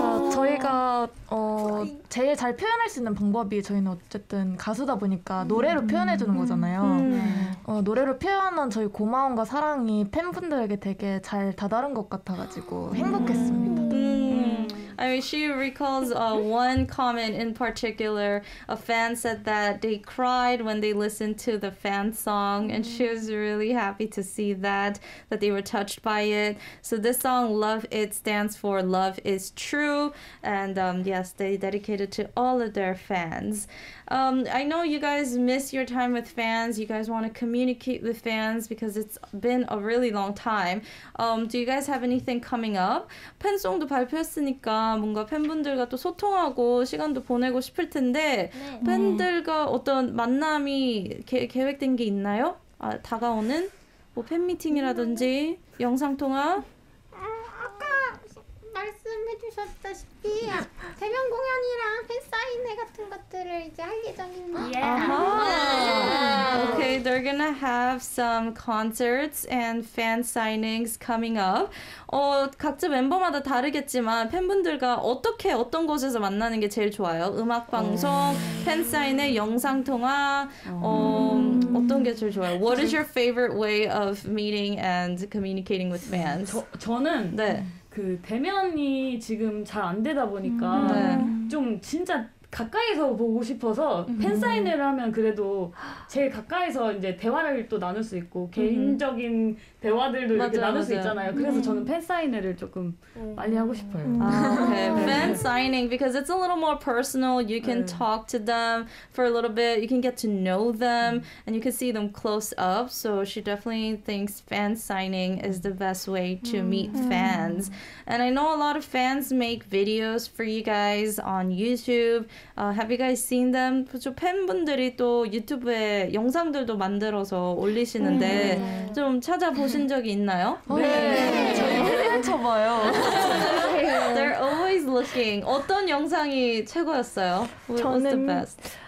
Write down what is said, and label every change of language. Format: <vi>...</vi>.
<ko>저희가 어, 제일 잘 표현할 수 있는 방법이 저희는 어쨌든 가수다 보니까 노래로 표현해주는 거잖아요. 어, 노래로 표현한 저희 고마움과 사랑이 팬분들에게 되게 잘 다다른 것 같아가지고 행복했습니다.</ko> <en>I mean, she recalls one comment in particular. A fan said that they cried when they listened to the fan song, and she was really happy to see that, that they were touched by it. So this song, Love It, stands for Love Is True, and yes, they dedicated to all of their fans. I know you guys miss your time with fans. You guys want to communicate with fans because it's been a really long time. Do you guys have anything coming up?</en> <ko>팬송도 발표했으니까 뭔가 팬분들과 또 소통하고 시간도 보내고 싶을 텐데 네. 팬들과 어떤 만남이 계획된 게 있나요? 아, 다가오는 뭐 팬미팅이라든지 영상통화? 아까 말씀해주셨다시피 대면 공연이랑 팬사인회 같은 것들을 이제 할 예정입니다.</ko> <en>Okay, they're gonna have some concerts and fan signings coming up.</en> <ko>어, 각자 멤버마다 다르겠지만 팬분들과 어떻게 어떤 곳에서 만나는 게 제일 좋아요? 음악 방송, 팬 사인회, 영상 통화, 어, 어떤 게 제일 좋아요?</ko> <en>What is your favorite way of meeting and communicating with fans?</en> <ko>저는 네. 그 대면이 지금 잘 안 되다 보니까 좀 진짜 가까이서 보고 싶어서 팬 사인회를 하면 그래도 제일 가까이서 이제 대화를 또 나눌 수 있고 개인적인 대화들도 맞아요, 이렇게 나눌 맞아요. 수 있잖아요. 그래서 저는 팬 사인회를 조금 빨리 하고 싶어요.</ko> <en>아, okay. Fan signing because it's a little more personal. You can talk to them for a little bit. You can get to know them and you can see them close up. So she definitely thinks fan signing is the best way to meet fans. And I know a lot of fans make videos for you guys on YouTube. Have you guys seen them?</en> <ko>그렇죠, 팬분들이 또 유튜브에 영상들도 만들어서 올리시는데 좀 찾아보신 적이 있나요? 네, 저 봐요.</ko> <en>They're always looking.</en> <ko>어떤 영상이 최고였어요?</ko> <en>What</en> <ko>저는,</ko> <en>was the best?</en>